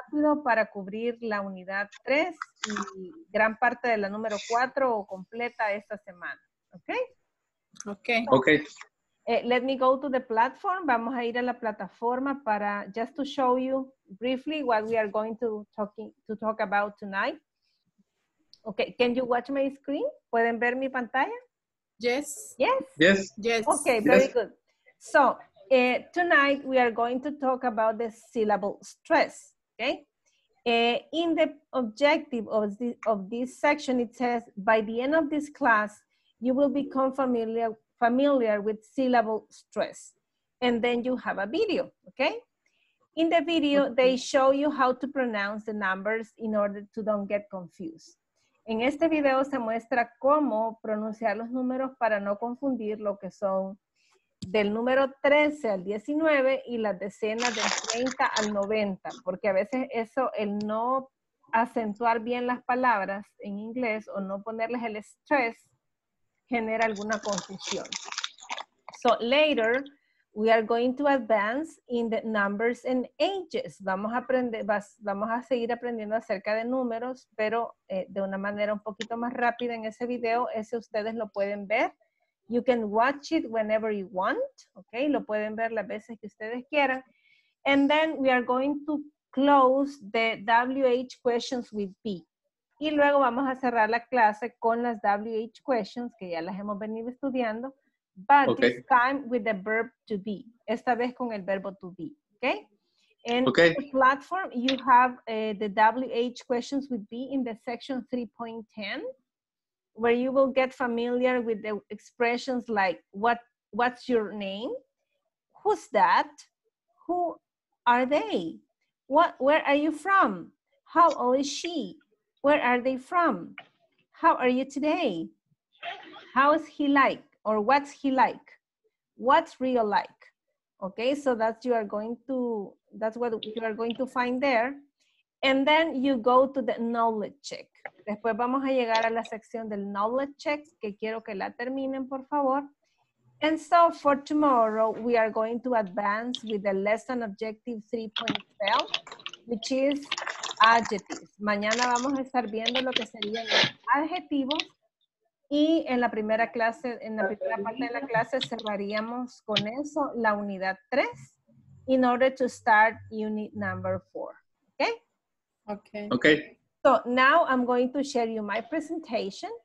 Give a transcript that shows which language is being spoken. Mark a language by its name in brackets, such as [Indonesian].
[Spanish] rápido para cubrir la unidad 3 y gran parte de la número 4 o completa esta semana. [English] Okay. Okay. Okay. Let me go to the platform. [Spanish] Vamos a ir a la plataforma para [English] just to show you briefly what we are going to talk about tonight. Okay. Can you watch my screen? [Spanish] ¿Pueden ver mi pantalla? [English] Yes. Yes. Yes. Yes. Okay. Yes. Very good. So tonight we are going to talk about the syllable stress. Okay. In the objective of this section, it says by the end of this class, you will become familiar with syllable stress, and then you have a video. Okay. In the video, okay. they show you how to pronounce the numbers in order to don't get confused. [Spanish] En este video se muestra cómo pronunciar los números para no confundir lo que son del número 13 al 19 y las decenas del 30 al 90. Porque a veces eso, el no acentuar bien las palabras en inglés o no ponerles el stress, genera alguna confusión. [English] So later, we are going to advance in the numbers and ages. [Spanish] Vamos a seguir aprendiendo acerca de números, pero de una manera un poquito más rápida en ese video. Ese ustedes lo pueden ver. [English] You can watch it whenever you want. [Spanish] Okay, lo pueden ver las veces que ustedes quieran. [English] And then we are going to close the WH questions with B. [Spanish] Y luego vamos a cerrar la clase con las WH questions, que ya las hemos venido estudiando. [English] But okay. this time with the verb to be. [Spanish] Esta vez con el verbo to be. [English] Okay? And okay. in the platform, you have the WH questions with be in the section 3.10, where you will get familiar with the expressions like what's your name? Who's that? Who are they? Where are you from? How old is she? Where are they from? How are you today? How is he like? Or what's he like? What's Rio like? Okay, so that's what you are going to find there. And then you go to the knowledge check. [Spanish] Después vamos a llegar a la sección del knowledge check, que quiero que la terminen, por favor. [English] And so for tomorrow, we are going to advance with the lesson objective 3.12, which is adjectives. [Spanish] Mañana vamos a estar viendo lo que serían los adjetivos. Y en la primera clase, en la primera parte de la clase, cerraríamos con eso la unidad 3 [English] in order to start unit number 4. Okay? Okay. Okay. So now I'm going to share you my presentation.